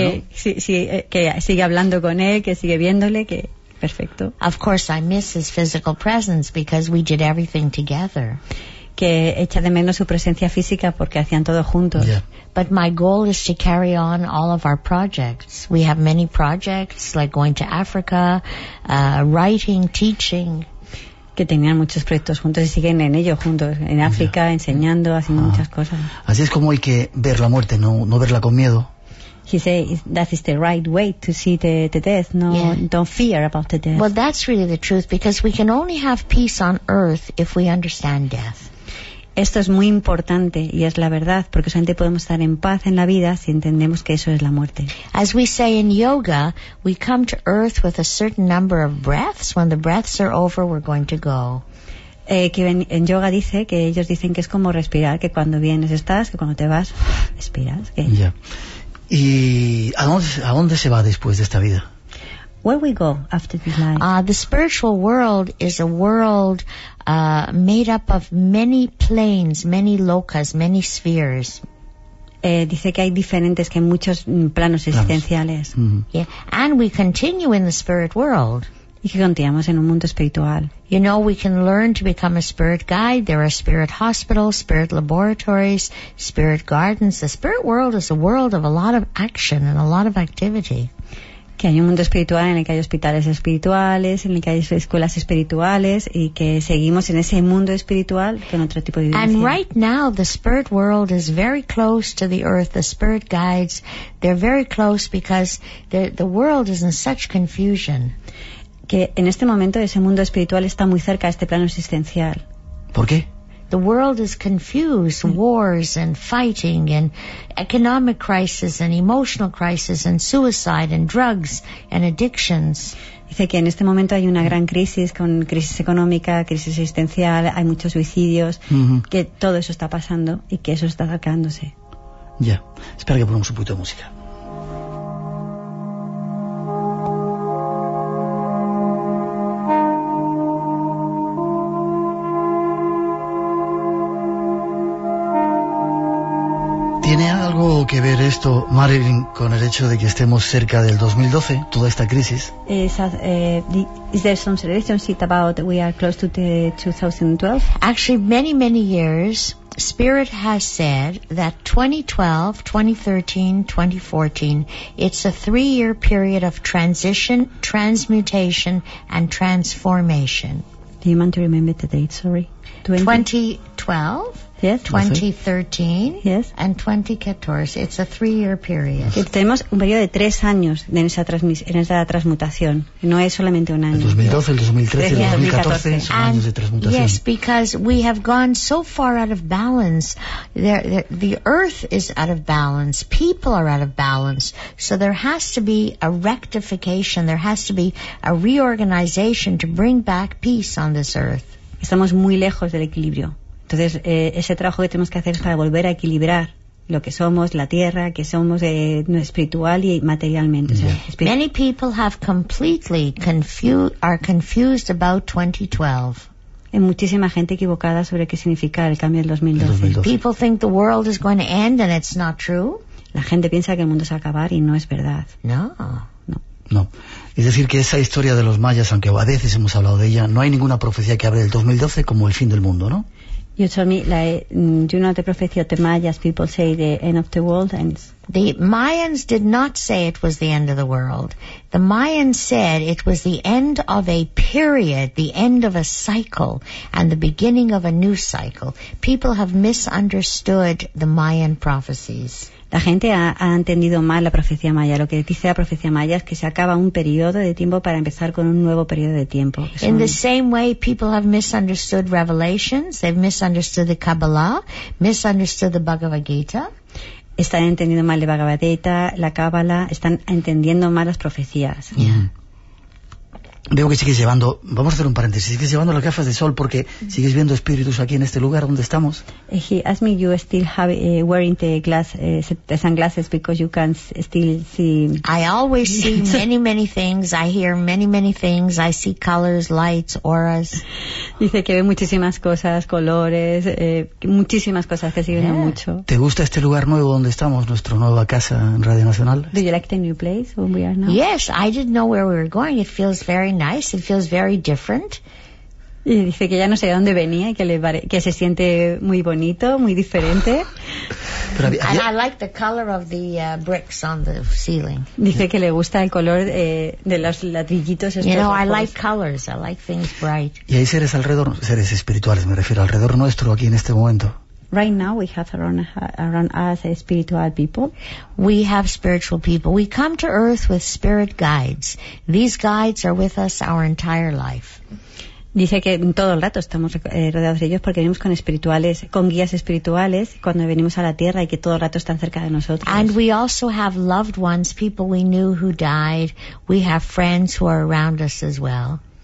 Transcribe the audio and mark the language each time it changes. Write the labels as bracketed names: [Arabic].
[Spanish] Sigue hablando con él, que sigue viéndole, que. Perfecto. [English] Of course, I miss his physical presence because we did everything together. [Spanish] Que echa de menos su presencia física porque hacían todo juntos. [English] Yeah. But my goal is to carry on all of our projects. We have many projects, like going to Africa, writing, teaching. [Spanish] Que tenían muchos proyectos juntos y siguen en ello juntos, en África, yeah, enseñando, haciendo muchas cosas. Así es como hay que ver la muerte, no verla con miedo. [English] He says that is the right way to see the death. No, yeah. Don't fear about the death. Well, that's really the truth, because we can only have peace on earth if we understand death. [Spanish] Esto es muy importante y es la verdad, porque solamente podemos estar en paz en la vida si entendemos que eso es la muerte. [English] As we say in yoga, we come to earth with a certain number of breaths. When the breaths are over, we're going to go. [Spanish] Que en yoga dice que ellos dicen que es como respirar, que cuando vienes estás, que cuando te vas respiras. Que... [English] Yeah. [Spanish] ¿Y a dónde se va después de esta vida? [English] Where we go after this life? The spiritual world is a world made up of many planes, many lokas, many spheres. [Spanish] Dice que hay diferentes, que hay muchos planos existenciales. [English] Mm-hmm. Yeah. And we continue in the spirit world. [Spanish] Y que continuamos en un mundo espiritual. [English] You know, we can learn to become a spirit guide. There are spirit hospitals, spirit laboratories, spirit gardens. The spirit world is a world of a lot of action and a lot of activity. [Spanish] Que hay un mundo espiritual en el que hay hospitales espirituales, en el que hay escuelas espirituales, y que seguimos en ese mundo espiritual con otro tipo de vivencia. [English] And right now, the spirit world is very close to the earth. The spirit guides, they're very close because the world is in such confusion. [Spanish] Que en este momento ese mundo espiritual está muy cerca a este plano existencial. ¿Por qué? [English] The world is confused, wars and fighting and economic crisis and emotional crisis and suicide and drugs and addictions. [Spanish] Dice que en este momento hay una gran crisis, con crisis económica, crisis existencial, hay muchos suicidios, que todo eso está pasando y que eso está acabándose. Ya, yeah. Espera que ponemos un poquito de música. ¿Qué ver esto, Marilyn, con el hecho de que estemos cerca del 2012, toda esta crisis? [English] Is there some relationship about we are close to the 2012? Actually, many, many years, Spirit has said that 2012, 2013, 2014, it's a 3-year period of transition, transmutation, and transformation. Do you want to remember the date, sorry? 2012? Yes. 2013, yes. And 2014. It's a 3-year period. [Spanish] Que tenemos un periodo de 3 años en esa transmutación. No es solamente un año. El 2012, el 2013, el 2014 son [English] and [Spanish] años de transmutación. [English] Yes, because we have gone so far out of balance. The earth is out of balance. People are out of balance. So there has to be a rectification. There has to be a reorganization to bring back peace on this earth. [Spanish] Estamos muy lejos del equilibrio. Entonces, ese trabajo que tenemos que hacer es para volver a equilibrar lo que somos, la tierra, que somos espiritual y materialmente. Yeah. O sea, [English] Many people have completely are confused about 2012. [Spanish] en muchísima gente equivocada sobre qué significa el cambio del 2012. [English] People think the world is going to end and it's not true. [Spanish] La gente piensa que el mundo se va a acabar y no es verdad. No. Es decir, que esa historia de los mayas, aunque a veces hemos hablado de ella, no hay ninguna profecía que hable del 2012 como el fin del mundo, ¿no? [English] You told me, like, do you know the prophecy of the Mayas? People say the end of the world ends. The Mayans did not say it was the end of the world. The Mayans said it was the end of a period, the end of a cycle, and the beginning of a new cycle. People have misunderstood the Mayan prophecies. [Spanish] La gente ha entendido mal la profecía maya. Lo que dice la profecía maya es que se acaba un periodo de tiempo para empezar con un nuevo periodo de tiempo. [English] In the same way, people have misunderstood revelations, they've misunderstood the Kabbalah, misunderstood the Bhagavad Gita. [Spanish] Están entendiendo mal la Bhagavad Gita, la Kabbalah, están entendiendo mal las profecías. Veo que sigues llevando, vamos a hacer un paréntesis, sigues llevando las gafas de sol porque sigues viendo espíritus aquí en este lugar donde estamos. [English] He asked me, you still have wearing the glass, sunglasses because you can still see. I always see many, many things, I hear many, many things, I see colors, lights, auras. [Spanish] Dice que ve muchísimas cosas, colores, muchísimas cosas que sigue mucho. ¿Te gusta este lugar nuevo donde estamos, nuestra nueva casa en Radio Nacional? [English] Do you like the new place where we are now? Yes, I didn't know where we were going, it feels very nice, it feels very different. [Spanish] Y dice que ya no sé de dónde venía y que se siente muy bonito, muy diferente. Pero había... [English] And I like the color of the bricks on the ceiling. [Spanish] Dice que le gusta el color de los ladrillitos. [English] You know, I like colors, I like things bright. [Spanish] Y hay seres alrededor, seres espirituales, me refiero, alrededor nuestro aquí en este momento. [English] Right now we have around us spiritual people. We have spiritual people. We come to Earth with spirit guides. These guides are with us our entire life. [Spanish] Dice que todo el rato estamos rodeados de ellos porque venimos con espirituales, con guías espirituales cuando venimos a la Tierra y que todo el rato están cerca de nosotros. [English] And we also have loved ones, people we knew who died. We have friends who are around us as well.